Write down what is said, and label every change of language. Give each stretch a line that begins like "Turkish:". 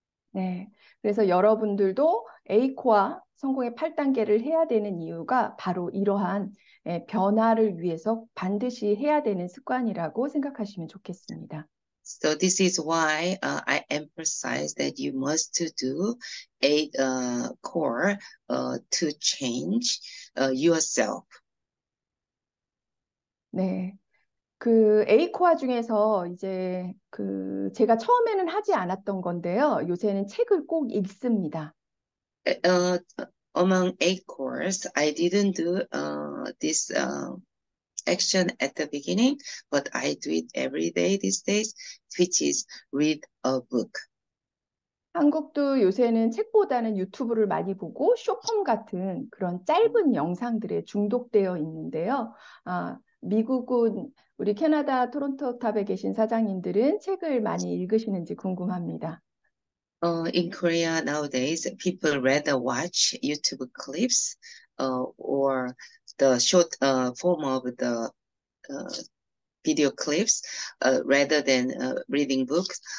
Korean: 네. 그래서 여러분들도 에이코아 성공의 8단계를 해야 되는 이유가 바로 이러한 변화를 위해서 반드시 해야 되는 습관이라고 생각하시면 좋겠습니다.
English: So this is why I emphasize that you must do a core to change yourself. 네.
Korean: 그 에이코아 중에서 이제 그 제가 처음에는 하지 않았던 건데요. 요새는 책을 꼭 읽습니다.
English: Among eight cores, I didn't do this. Action at the beginning, but I do it every day these days, which is read a book.
Korean: 한국도 요새는 책보다는 유튜브를 많이 보고 쇼폼 같은 그런 짧은 영상들에 중독되어 있는데요. 아, 미국은 우리 캐나다 토론토 탑에 계신 사장님들은 책을 많이 읽으시는지 궁금합니다.
English: In Korea nowadays, people rather watch YouTube clips, or the short form of the video clips rather than reading books.